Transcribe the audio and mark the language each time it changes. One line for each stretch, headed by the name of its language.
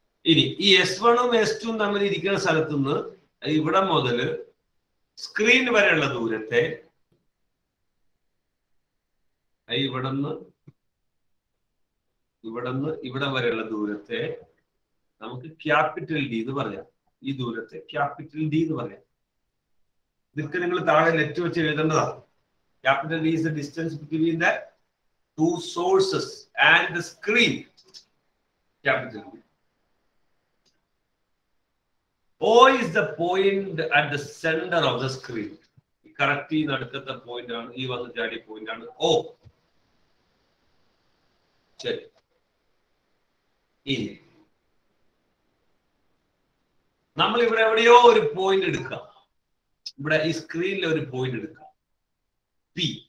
Malayalam: ഇനി ഈ S1 ഉം S2 ഉം തമ്മിൽ ഇരിക്കുന്ന സ്ഥലത്തു നിന്ന് ഇവിടെ മുതൽ സ്ക്രീൻ വരെയുള്ള ദൂരത്തെ, ഇവിടെ നിന്ന് ഇവിടെ വരെയുള്ള ദൂരത്തെ നമുക്ക് ക്യാപിറ്റൽ ഡി എന്ന് പറയാം. ഈ ദൂരത്തെ ക്യാപിറ്റൽ ഡി എന്ന് പറയാം. ഇതൊക്കെ നിങ്ങൾ താഴെ നെറ്റ് വെച്ച് എഴുതേണ്ടതാണ്.
English: Capital D is the distance between the two sources and the screen. Capital D. O is the point at the center of the screen.
Malayalam: ഈ കറക്റ്റ് ഈ നടുക്കത്തെ പോയിന്റ് ആണ്, ഈ വന്ന് ചാടിയ പോയിന്റ് ആണ് O. ശരി, നമ്മൾ ഇവിടെ എവിടെയോ ഒരു പോയിന്റ് എടുക്കാം, ഇവിടെ ഈ സ്ക്രീനിൽ ഒരു പോയിന്റ് എടുക്കാം P.